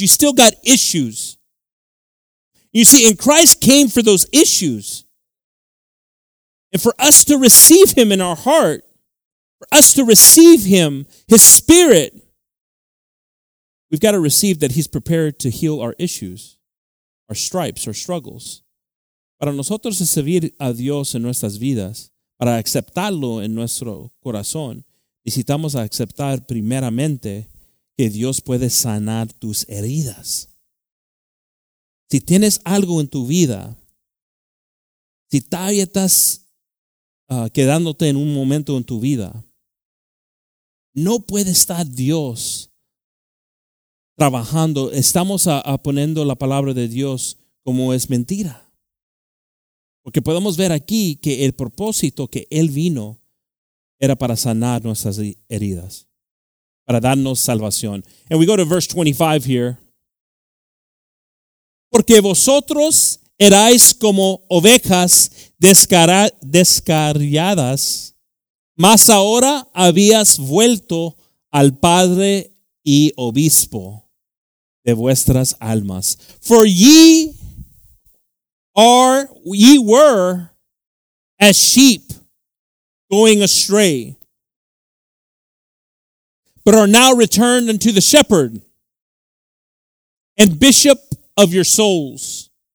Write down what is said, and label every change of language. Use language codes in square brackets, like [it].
[en] You still got issues. You see, and Christ came for those issues. And for us to receive him in our heart, for us to receive him, his spirit, We've got to receive that he's prepared to heal our issues, our stripes, our struggles. [es] Para nosotros recibir a Dios en nuestras vidas, para aceptarlo en nuestro corazón, necesitamos aceptar primeramente que Dios puede sanar tus heridas. Si tienes algo en tu vida, si todavía estás quedándote en un momento en tu vida, no puede estar Dios trabajando. Estamos a poniendo la palabra de Dios como es mentira. Porque podemos ver aquí que el propósito que Él vino era para sanar nuestras heridas, para darnos salvación. [en] And we go to verse 25 here. [es] Porque vosotros erais como ovejas descarriadas, mas ahora habías vuelto al Padre y Obispo de vuestras almas. [en] For ye were as sheep going astray, but are now returned unto the shepherd and bishop of your souls.